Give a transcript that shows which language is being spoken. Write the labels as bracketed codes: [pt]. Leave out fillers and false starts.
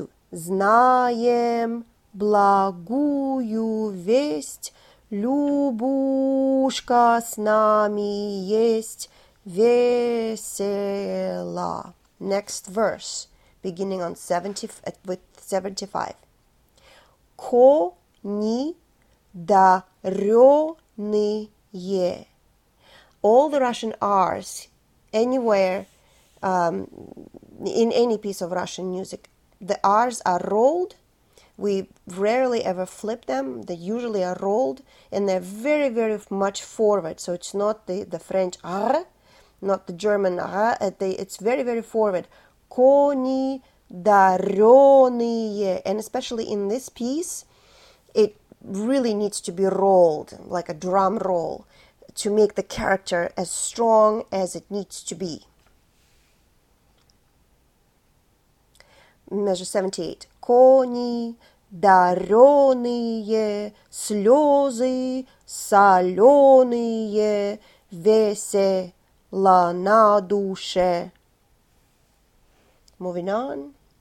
[ru] Знаем благую весть, Любушка с нами есть весела. [en] Next verse, beginning on 75. [ru] Кони дарённые. [en] All the Russian R's, anywhere, in any piece of Russian music, the R's are rolled. We rarely ever flip them. They usually are rolled, and they're very, very much forward. So it's not the French R, not the German R. It's very, very forward. [ru] Кони дарённые. [en] And especially in this piece, it really needs to be rolled, like a drum roll, to make the character as strong as it needs to be. Measure 78. [ru] Кони дарённые, слёзы солёные, весело на душе. [en] Moving on.